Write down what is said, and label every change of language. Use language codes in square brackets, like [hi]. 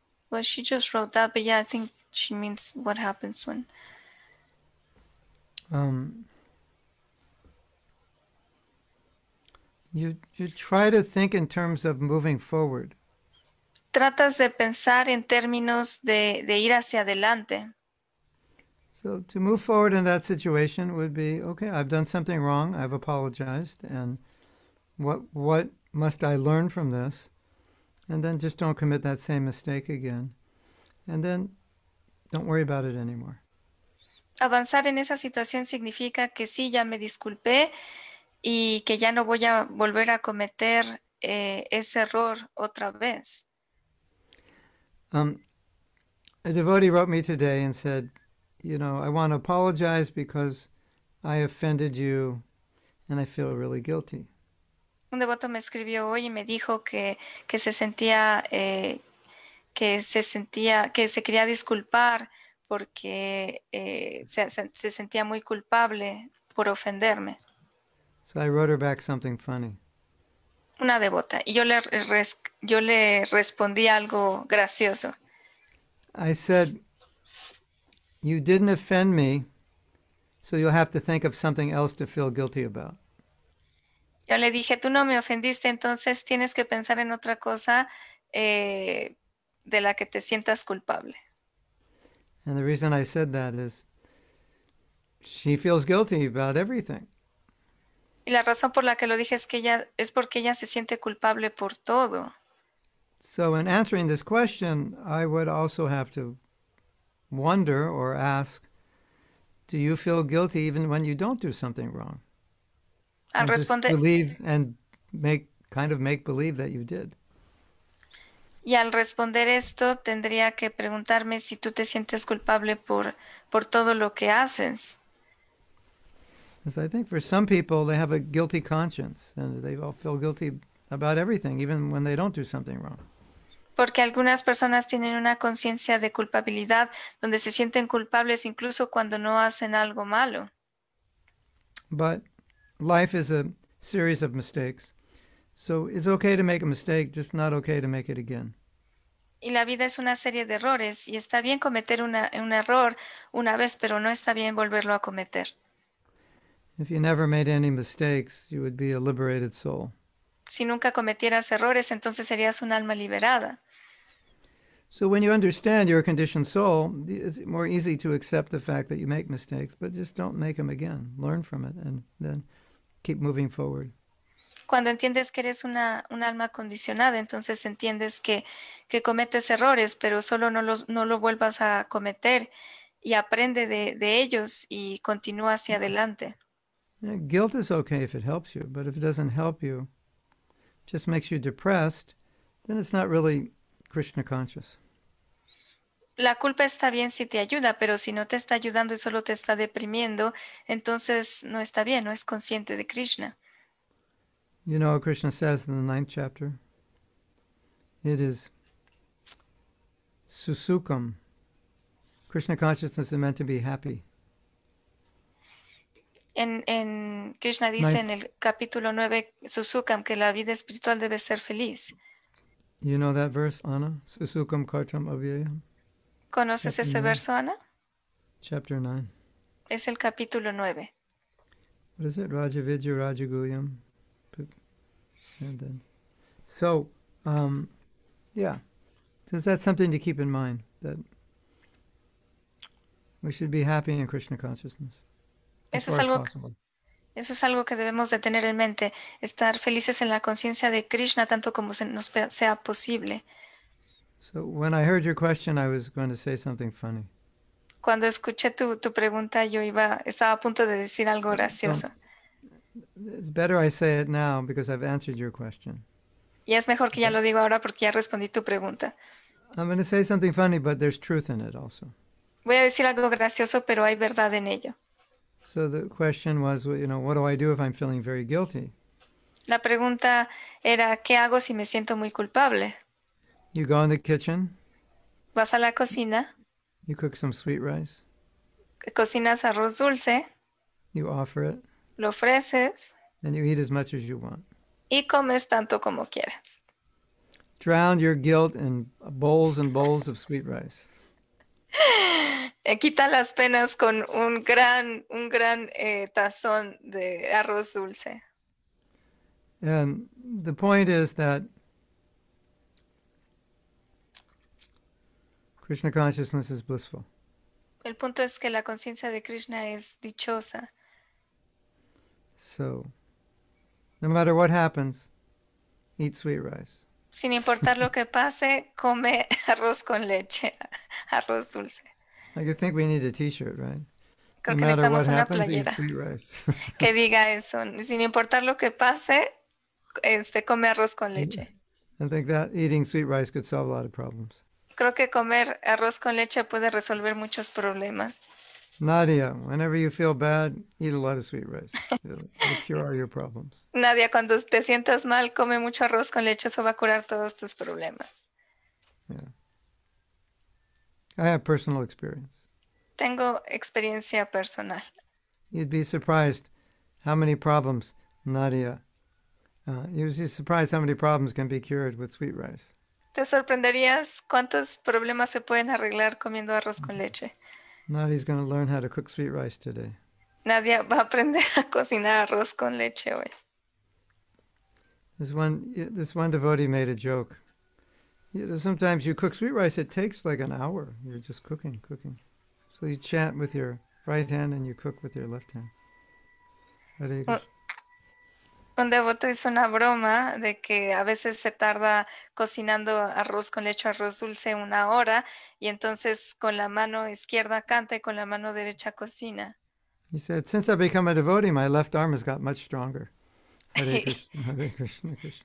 [en] Well, she just wrote that, but yeah, I think she means what happens when... You try to think in terms of moving forward. [es] tratas de pensar en términos de ir hacia adelante. [en] So to move forward in that situation would be, okay, I've done something wrong, I've apologized, and what must I learn from this? And then just don't commit that same mistake again. And then don't worry about it anymore. [es] Avanzar en esa situación significa que sí, ya me disculpé y que ya no voy a volver a cometer ese error otra vez. [en] A devotee wrote me today and said, you know, I want to apologize because I offended you and I feel really guilty. [es] Un devoto me escribió hoy y me dijo que se sentía que se quería disculpar porque se sentía muy culpable por ofenderme. [en] So I wrote her back something funny. [es] Una devota. Y yo le respondí algo gracioso. [en] I said, you didn't offend me, so you'll have to think of something else to feel guilty about. [es] Yo le dije, tú no me ofendiste, entonces tienes que pensar en otra cosa de la que te sientas culpable. [en] And the reason I said that is, she feels guilty about everything. [es] Y la razón por la que lo dije es que ella, es porque ella se siente culpable por todo. [en] So in answering this question, I would also have to wonder or ask, do you feel guilty even when you don't do something wrong? [es] Al responder, [en] believe and make kind of make believe that you did. [es] Y al responder esto, tendría que preguntarme si tú te sientes culpable por todo lo que haces. [en] As I think for some people, they have a guilty conscience and they all feel guilty about everything, even when they don't do something wrong. [es] Porque algunas personas tienen una conciencia de culpabilidad donde se sienten culpables incluso cuando no hacen algo malo. [en] But life is a series of mistakes. So it's okay to make a mistake, just not okay to make it again. [es] Y la vida es una serie de errores y está bien cometer un error una vez, pero no está bien volverlo a cometer. [en] If you never made any mistakes, you would be a liberated soul. [es] Si nunca cometieras errores, entonces serías un alma liberada. [en] So when you understand you're a conditioned soul, it's more easy to accept the fact that you make mistakes, but just don't make them again. Learn from it and then keep moving forward. [es] Cuando entiendes que eres un alma condicionada, entonces entiendes que cometes errores, pero solo no lo vuelvas a cometer y aprende de ellos y continúa hacia adelante. [en] Yeah, guilt is okay if it helps you, but if it doesn't help you, just makes you depressed, then it's not really Krishna conscious. [es] La culpa está bien si te ayuda, pero si no te está ayudando y solo te está deprimiendo, entonces no está bien, no es consciente de Krishna. [en] You know what Krishna says in the ninth chapter? It is susukam. Krishna consciousness is meant to be happy. [es] En Krishna dice en el capítulo 9, susukam, que la vida espiritual debe ser feliz. [en] You know that verse, Anna? Susukam kartam avyayam. [es] ¿Conoces [en] chapter [es] ese [en] nine. [es] Verso, Anna? [en] Chapter 9. [es] Es el capítulo 9. [en] What is it? Rajavidya Rajaguyam. And then, so, yeah. So that's something to keep in mind, that we should be happy in Krishna consciousness. [es] Eso es algo que debemos de tener en mente, estar felices en la conciencia de Krishna tanto como nos sea posible. [en] So when I heard your question, I was going to say something funny. [es] Cuando escuché tu pregunta, yo estaba a punto de decir algo gracioso. [en] It's better I say it now because I've answered your question. [es] Y es mejor que ya lo digo ahora porque ya respondí tu pregunta. [en] I'm going to say something funny, but there's truth in it also. [es] Voy a decir algo gracioso, pero hay verdad en ello. [en] So the question was, well, you know, what do I do if I'm feeling very guilty? [es] La pregunta era, ¿qué hago si me siento muy culpable? [en] You go in the kitchen. [es] Vas a la cocina. [en] You cook some sweet rice. [es] Cocinas arroz dulce. [en] You offer it. [es] Lo ofreces. [en] And you eat as much as you want. [es] Y comes tanto como quieras. [en] Drown your guilt in bowls and bowls of sweet rice. [es] Quita las penas con un gran tazón de arroz dulce. [en] And the point is that Krishna consciousness is blissful. [es] El punto es que la conciencia de Krishna es dichosa. [en] So, no matter what happens, eat sweet rice. [es] Sin importar lo que pase, come arroz con leche, arroz dulce. [en] I think we need a t-shirt, right? [es] Creo [en] no matter what happens, eat sweet rice. [es] Que diga eso. Sin importar lo que pase, come arroz con leche. [en] I think that eating sweet rice could solve a lot of problems. [es] Creo que comer arroz con leche puede resolver muchos problemas. [en] Nadia, whenever you feel bad, eat a lot of sweet rice. It'll cure all your problems. [es] Nadia, cuando te sientas mal, come mucho arroz con leche. Eso va a curar todos tus problemas. [en] Yeah. I have personal experience. [es] Tengo experiencia personal. [en] You'd be surprised how many problems, Nadia. You'd be surprised how many problems can be cured with sweet rice. [es] Te sorprenderías cuántos problemas se pueden arreglar comiendo arroz con leche. [en] Nadia's going to learn how to cook sweet rice today. [es] Nadia va a aprender a cocinar arroz con leche hoy. [en] This one devotee made a joke. You know, sometimes you cook sweet rice, it takes like an hour. You're just cooking. So you chant with your right hand and you cook with your left hand. [es] Un devoto hizo una broma de que a veces se tarda cocinando arroz con leche, arroz dulce, una hora, y entonces con la mano izquierda canta y con la mano derecha cocina. [en] He said, since I've become a devotee, my left arm has got much stronger. Hare Krishna, Hare Krishna, Krishna.